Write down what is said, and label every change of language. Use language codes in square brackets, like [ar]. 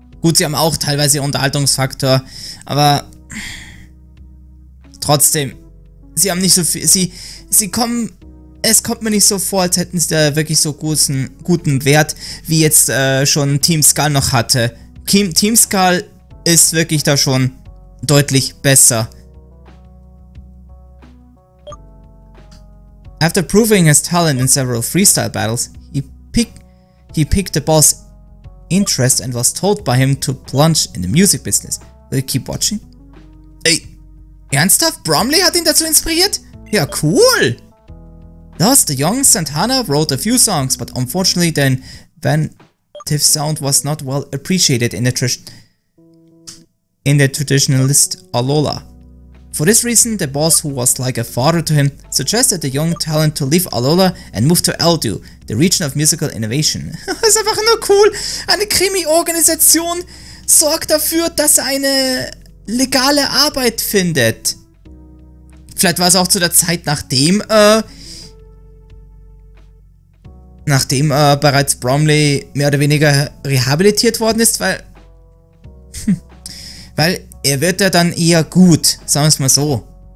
[de] Gut, sie haben auch teilweise Unterhaltungsfaktor, aber trotzdem, sie haben nicht so viel. Es kommt mir nicht so vor, als hätten sie da wirklich so guten Wert, wie jetzt schon Team Skull noch hatte. Team Skull ist wirklich da schon deutlich besser. [en] After proving his talent in several freestyle battles, he picked the boss' interest and was told by him to plunge in the music business. Will you keep watching? [de] Ey, ernsthaft? Bromley hat ihn dazu inspiriert? Ja, cool! [en] Thus, the young Santana wrote a few songs, but unfortunately the inventive sound was not well appreciated in the traditionalist Alola. For this reason, the boss, who was like a father to him, suggested the young talent to leave Alola and move to Eldu, the region of musical innovation. [de] Das ist einfach nur cool. Eine Krimi-Organisation sorgt dafür, dass er eine legale Arbeit findet. Vielleicht war es auch zu der Zeit, nachdem bereits Bromley mehr oder weniger rehabilitiert worden ist, weil weil er wird ja dann eher gut, sagen wir es mal so.